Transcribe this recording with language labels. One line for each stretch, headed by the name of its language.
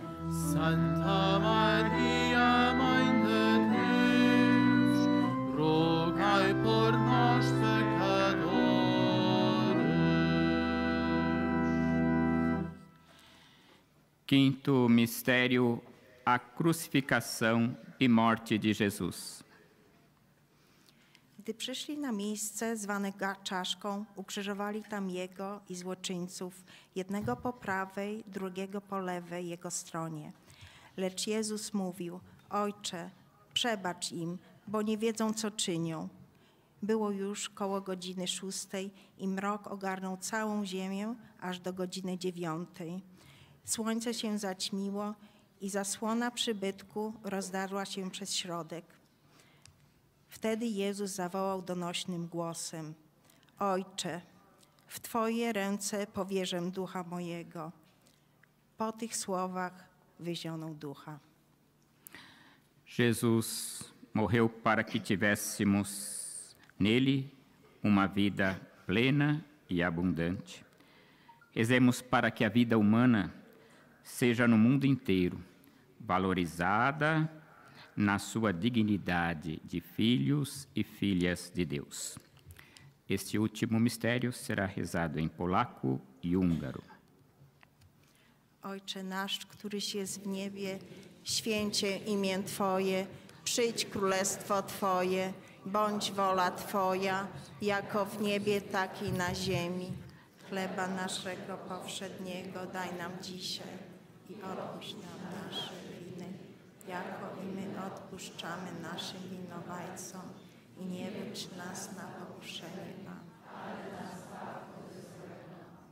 Portuguese: Santa Maria, Mãe de Deus, rogai por nós, pecadores. Quinto mistério: a crucificação e morte de Jesus.
Polish: Gdy przyszli na miejsce zwane Czaszką, ukrzyżowali tam Jego i złoczyńców, jednego po prawej, drugiego po lewej Jego stronie. Lecz Jezus mówił: Ojcze, przebacz im, bo nie wiedzą, co czynią. Było już koło godziny szóstej i mrok ogarnął całą ziemię aż do godziny dziewiątej. Słońce się zaćmiło i zasłona przybytku rozdarła się przez środek. Wtedy Jezus zawołał donośnym głosem: Ojcze, w Twoje ręce powierzę ducha mojego. Po tych słowach wyzionął ducha.
Portuguese: Jezus morreu para que tivéssemos nele uma vida plena e abundante. Rezemos para que a vida humana seja no mundo inteiro valorizada na sua dignidade de filhos e filhas de Deus. Este último mistério será rezado em polaco e húngaro.
Polish: Ojcze nasz, któryś jest w niebie, święcie imię Twoje, przyjdź królestwo Twoje, bądź wola Twoja, jako w niebie, tak i na ziemi. Chleba naszego powszedniego daj nam dzisiaj i odpuść nam nasze winy, jako i my odpuszczamy naszym winowajcom, i nie wódź nas na pokuszenie, Pan, ale nas zbaw od złego.